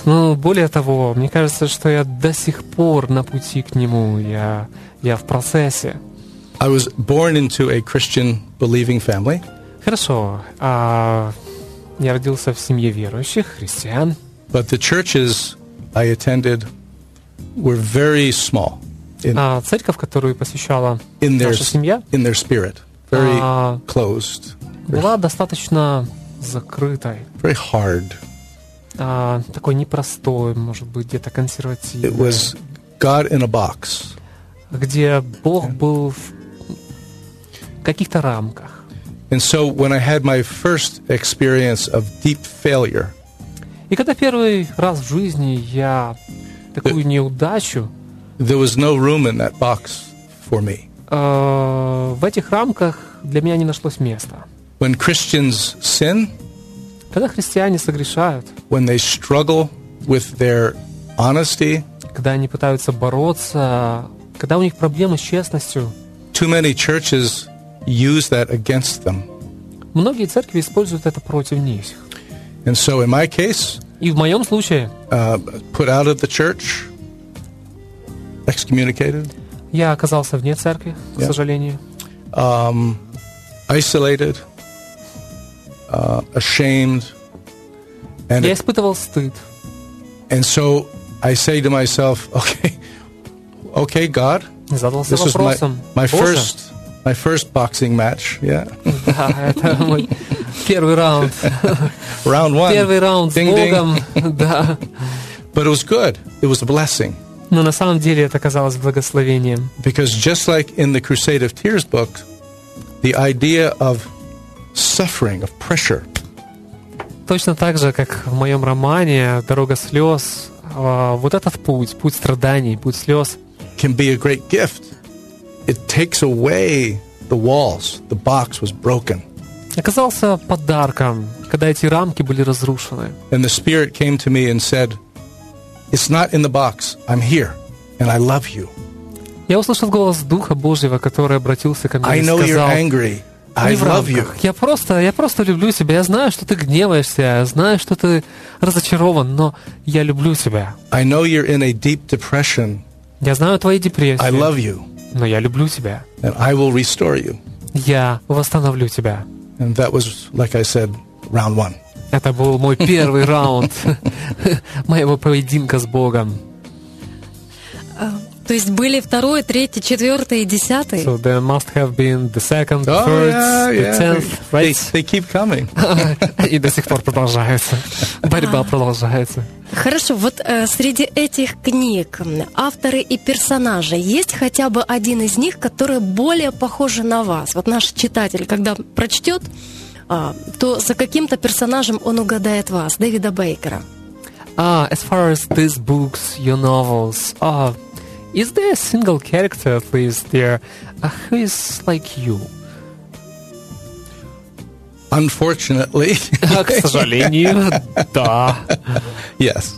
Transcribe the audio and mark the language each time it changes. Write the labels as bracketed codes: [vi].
[ru] Ну, более того, мне кажется, что я до сих пор на пути к Нему. Я в процессе. [en] I was born into a Christian believing family. [ru] Хорошо. Я родился в семье верующих христиан. [en] But the churches I attended were very small. [ru] Церковь, которую посещала наша семья, [en] in their spirit, very closed. [ru] Была достаточно закрытой. [en] Very hard. [ru] Такой непростой, может быть, где-то консервативный. [en] It was God in a box. [ru] Где Бог был в каких-то рамках. [en] And so when I had my first experience of deep failure. [ru] И когда первый раз в жизни я такую неудачу. [en] There was no room in that box for me. [ru] В этих рамках для меня не нашлось места. [en] When Christians sin. [ru] Когда христиане согрешают. [en] When they struggle with their honesty. [ru] Когда они пытаются бороться, когда у них проблемы с честностью. [en] Too many churches use that against them. [ru] Многие церкви используют это против них. [en] And so in my case, [ru] и в моем случае, [en] put out of the church, excommunicated. [ru] Я оказался вне церкви, к сожалению. [en] Isolated, ashamed, and [ru] я испытывал стыд. [en] And so I say to myself, okay, God, [ru] задался [en] this [ru] вопросом, [en] is my first. My first boxing match, yeah. [ru] Да, это мой первый раунд. [en] Round one. [ru] Первый раунд ding, с Богом, да. [en] But it was good. It was a blessing. [ru] Но на самом деле это оказалось благословением. [en] Because just like in the Crusade of Tears book, the idea of suffering, of pressure. [ru] Точно так же, как в моем романе «Дорога слез», вот этот путь, путь страданий, путь слез, [en] can be a great gift. It takes away the walls. The box was broken. [ru] Оказался подарком, когда эти рамки были разрушены. [en] And the Spirit came to me and said, "It's not in the box. I'm here, and I love you." [ru] Я услышал голос Духа Божьего, который обратился ко мне и сказал: [en] "I know you're angry. I love you." [ru] Я просто люблю тебя. Я знаю, что ты гневаешься. Я знаю, что ты разочарован, но я люблю тебя. [en] I know you're in a deep depression. [ru] Я знаю твои депрессии. [en] I love you. [ru] Но я люблю тебя. [en] And I will restore you. [ru] Я восстановлю тебя. [en] And that was, like I said, round one. [ru] Это был мой первый раунд моего поединка с Богом. То есть были второй, третий, четвертый и десятый? [en] So there must have been the second, the third, the tenth, right? They keep coming. [ru] И до сих пор продолжается. Борьба продолжается. Хорошо, вот среди этих книг, авторы и персонажи, есть хотя бы один из них, который более похож на вас? Вот наш читатель, когда прочтет, то за каким-то персонажем он угадает вас, Дэвида Бейкера. As far as these books, your novels, is there a single character at least there who is like you? Unfortunately. К сожалению, да. [en] Yes.